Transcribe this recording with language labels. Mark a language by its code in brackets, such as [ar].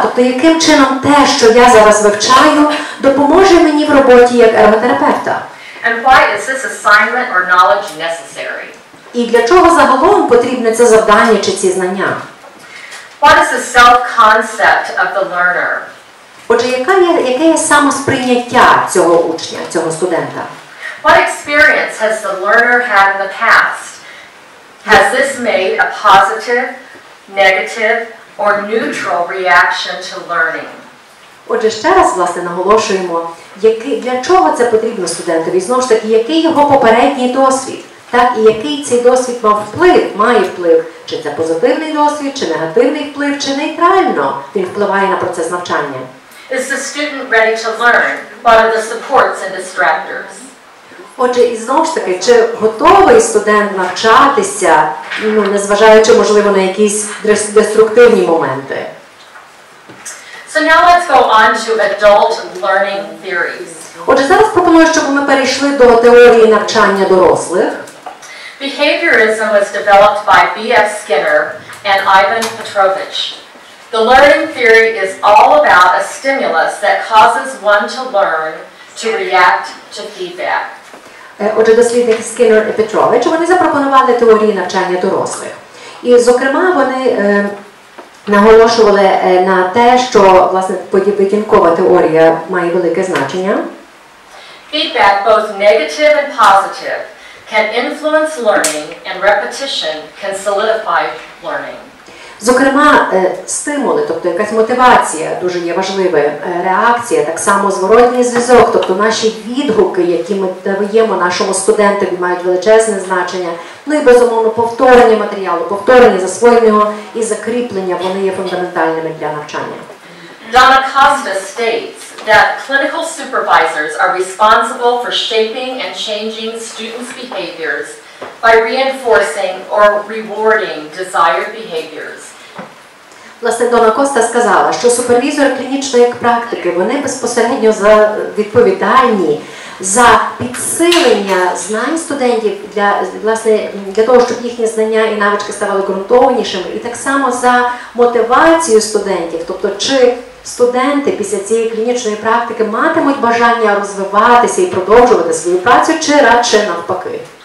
[uk] Тобто яким чином те, що я зараз вивчаю, допоможе мені в роботі як ерготерапевта? [en] And why is this assignment or knowledge necessary? [uk] І для чого загалом потрібне це завдання чи ці знання? [en] What is the self-concept of the learner? [uk] Отже, яке є саме сприйняття цього учня, цього студента? [en] What experience has the learner had in the past? Has this made a positive, negative, or neutral reaction to learning? [uk] Отже, ще раз, власне, наголошуємо, для чого це потрібно студентові? Знову ж таки, який його попередній досвід? Так, і який цей досвід має вплив? Чи це позитивний досвід, чи негативний вплив, чи нейтрально він впливає на процес навчання? [en] Is the student ready to learn? What are the supports and distractors? [uk] Отже, і знову ж таки, чи готовий студент навчатися, незважаючи, можливо, на якісь деструктивні моменти? [en] So now let's go on to adult learning theories. [uk] Отже, зараз пропоную, щоб ми перейшли до теорії навчання дорослих. [en] Behaviorism was developed by B.F. Skinner and Ivan Petrovich. The learning theory is all about a stimulus that causes one to learn, to react to feedback. [uk] Отже, дослідники Скіннер і Петрович, вони запропонували теорії навчання дорослих. І, зокрема, вони наголошували на те, що, власне, поведінкова теорія має велике значення. [en] Feedback, both negative and positive, can influence learning, and repetition can solidify learning. [uk] Зокрема, стимули, тобто якась мотивація дуже є важливою, реакція, так само зворотний зв'язок, тобто наші відгуки, які ми даємо нашому студенту, мають величезне значення. Ну і безумовно, повторення матеріалу, повторення засвоєного і закріплення, вони є фундаментальними для навчання. [en] Donna Costa states that clinical supervisors are responsible for shaping and changing students' behaviors by reinforcing or rewarding desired behaviors. [uk] Власне, Дона Коста сказала, що супервізори клінічної практики, вони безпосередньо відповідальні за підсилення знань студентів для того, щоб їхні знання і навички ставали ґрунтовнішими, і так само за мотивацію студентів, тобто чи студенти після цієї клінічної практики матимуть бажання розвиватися і продовжувати свою працю, чи радше навпаки.